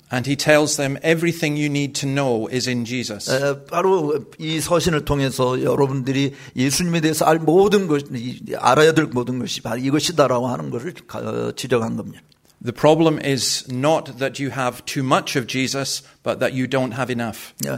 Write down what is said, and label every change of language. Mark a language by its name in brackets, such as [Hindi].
[English] And he tells them everything you need to know is in Jesus. [Korean] 바로 이 서신을 통해서 여러분들이 예수님에 대해서 알 모든 것, 알아야 될 모든 것이 바로 이것이다라고 하는 것을 지적한 겁니다. [English] The problem is not that you have too much of Jesus, but that you don't have enough.